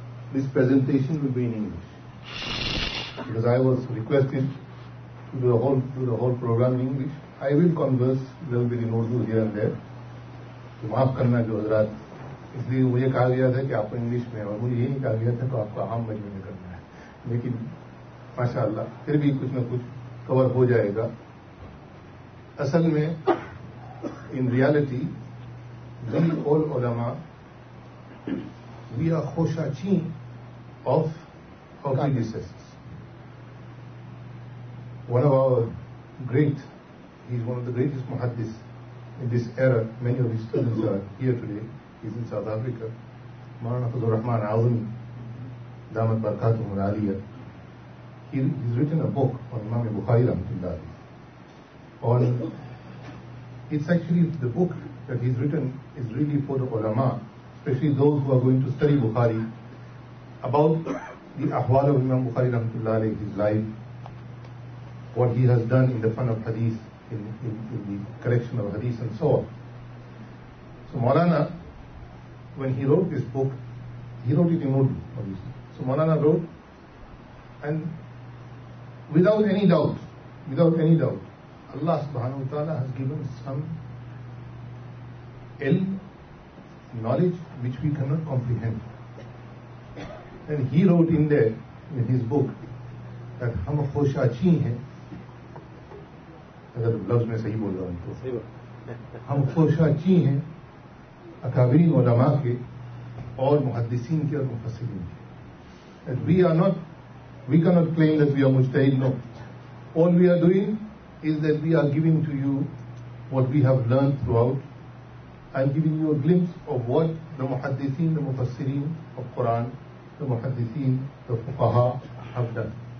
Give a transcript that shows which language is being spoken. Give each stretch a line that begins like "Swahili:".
English: This presentation will be in English because I was requested to do the whole program in English. I will converse a little bit in Urdu here and there.
Hindi: तो माफ करना जो हजरात, इसलिए मुझे कहा गया था कि आप इंग्लिश में, और मुझे यही कहा गया था कि आपको आम मजमे में करना है, लेकिन माशाल्लाह फिर भी कुछ न कुछ कवर हो जाएगा। असल में
English: In reality we all उलमा we are खोशाची of our predecessors. One of our great, he is one of the greatest muhaddis in this era, many of his students are here today, he is in South Africa, Maulana Fazlur Rahman Azmi, Damat Barakatuhu Aliya. He has written a book on Imam Bukhari Rahmatullahi. On, it's actually the book that he's written is really for the ulama, especially those who are going to study Bukhari, about the ahwal of Imam Bukhari rahmatullahi alayhi, his life, what he has done in the fun of hadith, in the collection of hadith and so on. So Maulana, when he wrote this book, he wrote it in Urdu, obviously. So Maulana wrote, and without any doubt, Allah subhanahu wa ta'ala has given some ilm, knowledge which we cannot comprehend. And he wrote in there, in his book, that
Hindi: हम खोशाची हैं, अगर लफ्ज में सही बोल रहा हूं तो, हम खोशाची हैं अकाबरीन उलमा के और मुहद्दिसीन के और मुफस्सिरीन के।
English: That we are not, we cannot claim that we are mujtahid, no. All we are doing is that we are giving to you what we have learned throughout and giving you a glimpse of what the muhaddithin, the mufassirin of Quran, the muhaddithin, the fuqaha have done.